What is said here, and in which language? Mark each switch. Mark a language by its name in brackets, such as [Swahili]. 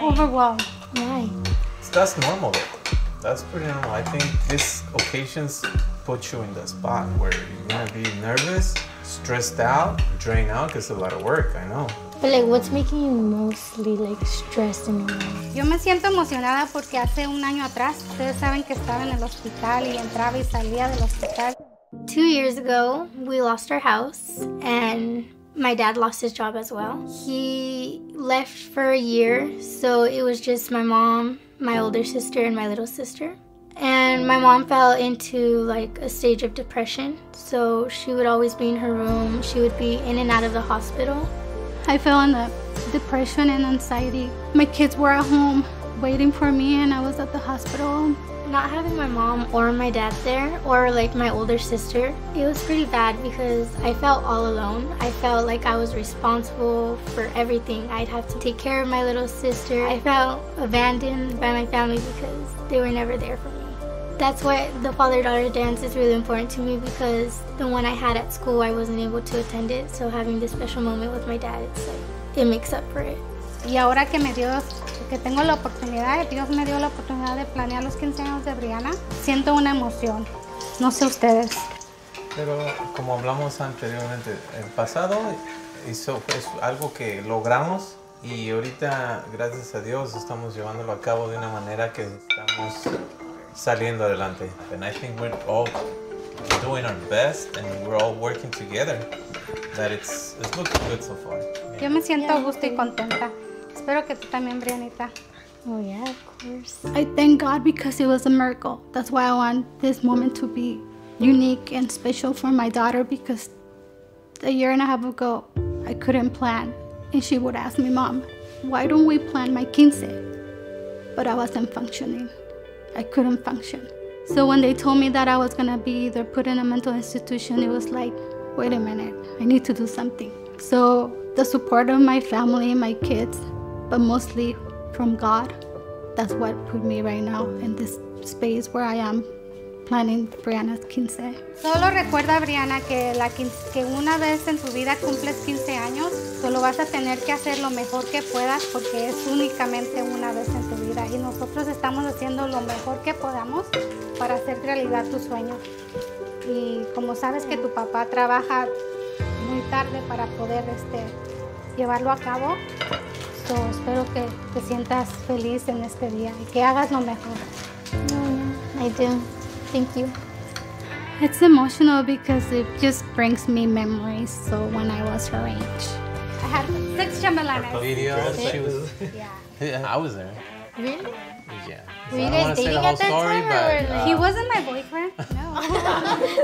[English] Overwhelmed. Why? That's normal. That's pretty normal. I think these occasions put you in the spot where you're going to be nervous, stressed out, drained out, because it's a lot of work, I know. But like, what's making you mostly like stressed in your life? [Spanish] Yo me siento emocionada porque hace un año atrás, ustedes saben que estaba en el hospital y entraba y salía del hospital. [English] 2 years ago, we lost our house and My dad lost his job as well. He left for a year, so it was just my mom, my older sister, and my little sister. And my mom fell into like a stage of depression, so she would always be in her room. She would be in and out of the hospital. I fell in the depression and anxiety. My kids were at home waiting for me, and I was at the hospital. Not having my mom or my dad there, or like my older sister, it was pretty bad because I felt all alone. I felt like I was responsible for everything. I'd have to take care of my little sister. I felt abandoned by my family because they were never there for me. That's why the father-daughter dance is really important to me, because the one I had at school, I wasn't able to attend it. So having this special moment with my dad, it's like, it makes up for it. [Spanish] Y ahora que me dio, que tengo la oportunidad, Dios me dio la oportunidad de planear los 15 años de Brianna, siento una emoción. No sé ustedes. Pero como hablamos anteriormente, el pasado hizo, es algo que logramos, y ahorita, gracias a Dios, estamos llevándolo a cabo de una manera que estamos saliendo adelante. [English] And I think we're all doing our best and we're all working together. That it's looking good so far. [Spanish] Yo me siento a gusto y contenta. Espero que tú también, Brianita. [English] Oh, yeah, of course. I thank God because it was a miracle. That's why I want this moment to be unique and special for my daughter, because a year and a half ago, I couldn't plan. And she would ask me, Mom, why don't we plan my quince? But I wasn't functioning. I couldn't function. So when they told me that I was gonna be either put in a mental institution, it was like, wait a minute, I need to do something. So the support of my family, my kids, but mostly from God, that's what put me right now in this space where I am planning Brianna's quince. [Spanish] Solo recuerda, Brianna, que, la quince, que una vez en tu vida cumples 15 años, solo vas a tener que hacer lo mejor que puedas, porque es únicamente una vez en tu vida. Y nosotros estamos haciendo lo mejor que podamos para hacer realidad tu sueño. Y como sabes que tu papá trabaja muy tarde para poder llevarlo a cabo, so espero que te sientas feliz en este día y que hagas lo mejor. [English] I do. Thank you. It's emotional because it just brings me memories. So when I was her age, I had 6 chambelanes. Video. Six? Yeah. I was there. Really? Yeah. Were you guys dating at that time? But, he wasn't my boyfriend. No.